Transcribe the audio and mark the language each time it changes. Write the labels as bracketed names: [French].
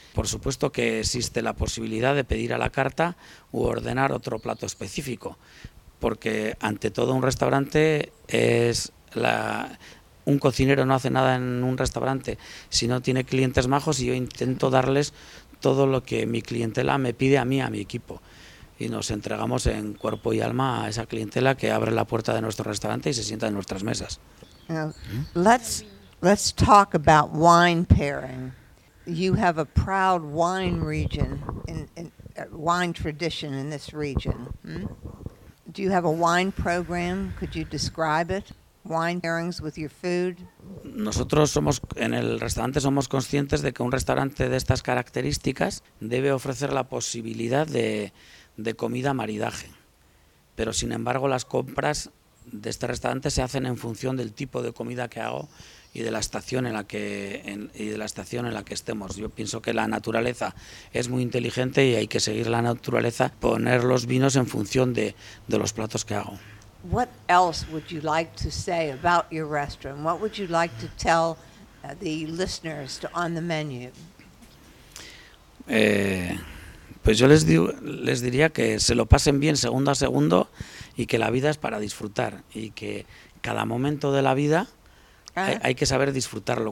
[Spanish] Por supuesto que existe la posibilidad de pedir a la carta u ordenar otro plato específico, porque ante todo un restaurante es la... Un cocinero no hace nada en un restaurante si no tiene clientes majos, y yo intento darles todo lo que mi clientela me pide a mí, a mi equipo. Y nos entregamos en cuerpo y alma a esa clientela que abre la puerta de nuestro restaurante y se sienta en nuestras mesas. [English] Let's talk about wine pairing. You have a proud wine region, wine tradition in this region. Do you have a wine program? Could you describe it? Wine pairings with your food. [Spanish] Nosotros somos, en el restaurante somos conscientes de que un restaurante de estas características debe ofrecer la posibilidad de comida maridaje. Pero sin embargo las compras de este restaurante se hacen en función del tipo de comida que hago y de la estación en la que estemos. Yo pienso que la naturaleza es muy inteligente y hay que seguir la naturaleza, poner los vinos en función de los platos que hago. [English] What else would you like to say about your restaurant? What would you like to tell the listeners on the menu? [Spanish] Pues yo les diría que se lo pasen bien segundo a segundo y que la vida es para disfrutar y que cada momento de la vida hay que saber disfrutarlo.